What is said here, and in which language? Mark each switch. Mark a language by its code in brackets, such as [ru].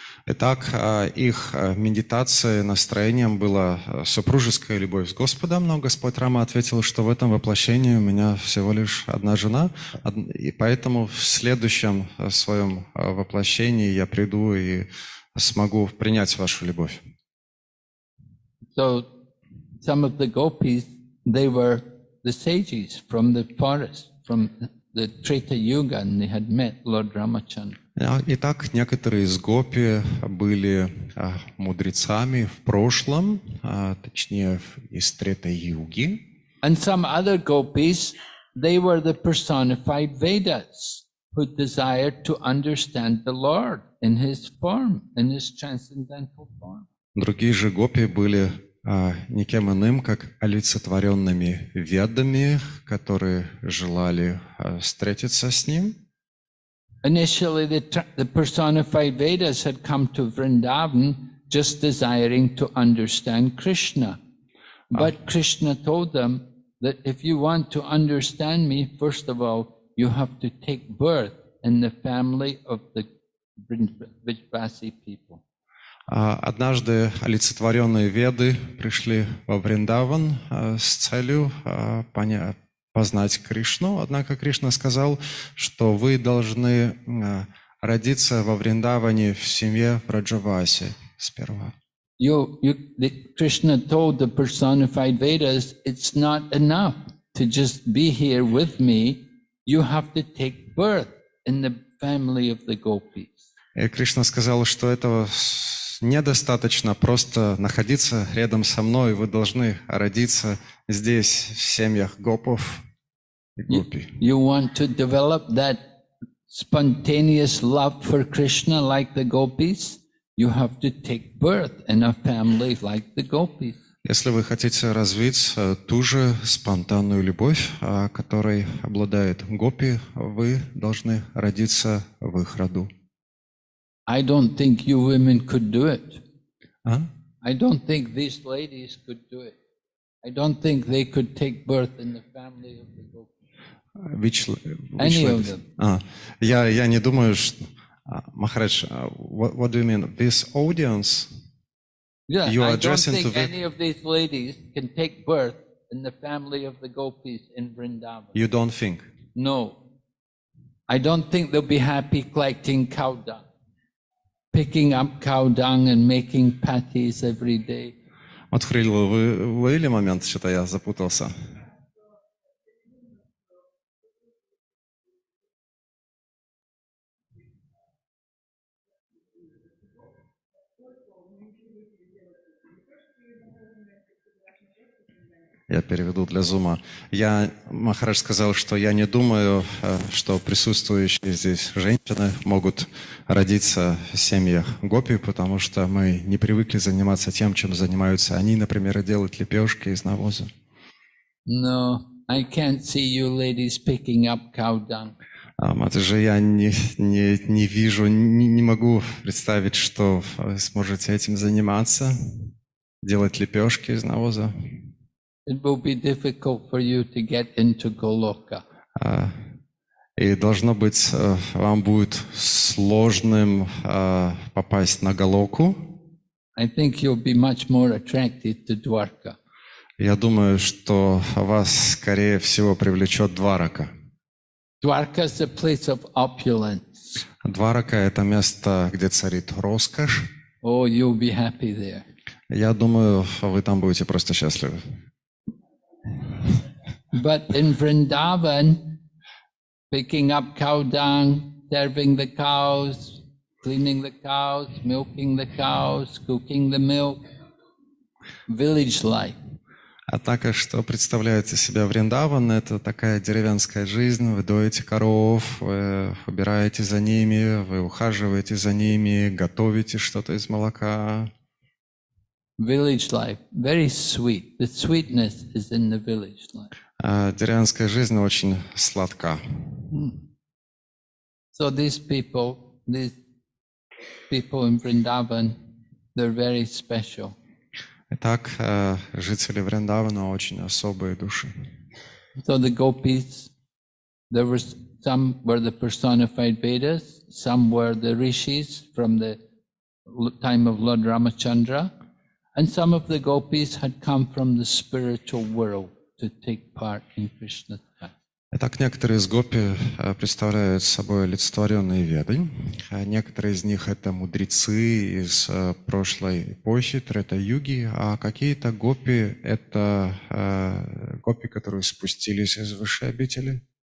[ru] Итак, их медитация настроением была супружеская любовь с Господом, но Господь Рама ответил, что в этом воплощении у меня всего лишь одна жена, и поэтому в следующем своем воплощении я приду и смогу принять вашу любовь. [en] So some of the gopis, they were the sages from the forest, from the Treta Yuga, and they had met Lord Ramachandra. [ru] Итак, некоторые из гопи были мудрецами в прошлом, точнее, из Трета-юги. [en] And some other gopis, they were the personified Vedas, who desired to understand the Lord in His form, in His transcendental form. [ru] Другие же гопи были никем иным, как олицетворенными ведами, которые желали встретиться с Ним. [en] Initially, the personified Vedas had come to Vrindavan just desiring to understand Krishna. But Krishna told them that if you want to understand me, first of all, you have to take birth in the family of the Vrindavasi people. [ru] Однажды олицетворенные Веды пришли во Вриндаван с целью понять, познать Кришну, однако Кришна сказал, что вы должны родиться во Вриндаване в семье Враджаваси сперва. [en] Кришна told the personified Vedas, it's not enough to just be here with me, you have to take birth in the family of the gopis. [ru] И Кришна сказал, что этого недостаточно просто находиться рядом со мной, вы должны родиться здесь, в семьях гопов. [en] You want to develop that spontaneous love for Krishna like the gopis? You have to take birth in a family like the gopis. [ru] Если вы хотите развить ту же спонтанную любовь, которой обладает гопи, вы должны родиться в их роду. [en] I don't think you women could do it. А? I don't think these ladies could do it. I don't think they could take birth in the family of the gopis. [ru] Я не думаю, что Махарадж, [en] what do you mean? This audience? Yeah, you are addressing to the... I don't think any of these ladies can take birth in the family of the gopis in Vrindavan. You don't think? No. I don't think they'll be happy collecting cow dung, picking up cow dung and making patties every day. [ru] Вот, Хрилло, вы ловили момент, что-то я запутался. Я переведу для зума. Я, Махарадж, сказал, что я не думаю, что присутствующие здесь женщины могут родиться в семьях гопи, потому что мы не привыкли заниматься тем, чем занимаются они, например, делать лепешки из навоза. [en] No, I can't see you ladies picking up cow dung. [ru] Это же я не вижу, не могу представить, что вы сможете этим заниматься, делать лепешки из навоза. [en] It will be difficult for you to get into Goloka. [ru] И должно быть, вам будет сложным попасть на Голоку. [en] I think you'll be much more attracted to Dwarka. [ru] Я думаю, что вас скорее всего привлечет Дварака. [en] Dwarka is a place of opulence. [ru] Дварака это место, где царит роскошь. [en] Oh, you'll be happy there. [ru] Я думаю, вы там будете просто счастливы. [en] But in Vrindavan, picking up cow dung, serving the cows, cleaning the cows, milking the cows, cooking the milk, village life. [ru] А так, что представляет из себя Вриндаван, это такая деревенская жизнь. Вы доите коров, вы убираете за ними, вы ухаживаете за ними, готовите что-то из молока. [en] Village life, very sweet. The sweetness is in the village life. [ru] Деревенская жизнь очень сладка. [en] So these people in Vrindavan, they're very special. [ru] Итак, жители Вриндавана очень особые души. [en] So the gopis, there were some were the personified Vedas, some were the rishis from the time of Lord Ramachandra. And some of the gopis had come from the spiritual world to take part in Krishna's life. [ru] Итак, некоторые из гопи представляют собой олицетворенные веды. Некоторые из них это мудрецы из прошлой эпохи, трета-юги, а какие-то гопи это гопи, которые спустились из высшей обители.